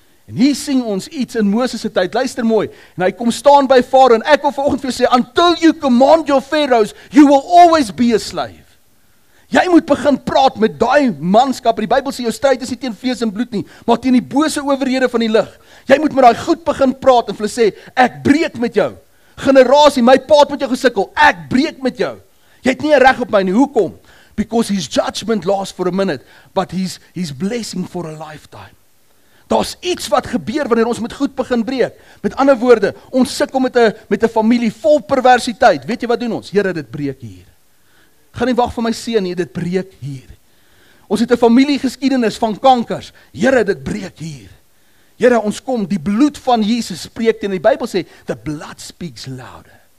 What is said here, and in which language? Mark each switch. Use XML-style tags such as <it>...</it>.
<af>En hier sien ons iets in Moses se tyd, luister mooi, en hy kom staan by Farao, en ek wil vanoggend vir jou sê,</af> <en>until you command your pharaohs, you will always be a slave.</en> <af>Jy moet begin praat met daai manskap, die Bybel sê, jou stryd is nie teen vlees en bloed nie, maar teen die bose owerhede van die lig. Jy moet met daai goed begin praat, en vir hulle sê, ek breek met jou. Generasie, my pa het met jou gesukkel, ek breek met jou. Jy het nie reg op my nie, hoekom?</af> <en>Because his judgment lasts for a minute, but his blessing for a lifetime.</en> <af>Daar's iets wat gebeur wanneer ons met goed begin breek. Met ander woorde, ons sukkel met 'n familie vol perversiteit. Weet jy wat doen ons? Here, dit breek hier. Gaan nie wag vir my seun nie, dit breek hier. Ons het 'n familiegeskiedenis van kankers. Here, dit breek hier. Here, ons kom, die bloed van Jesus spreek teen, die Bybel sê,</af> <en>the blood speaks louder.</en>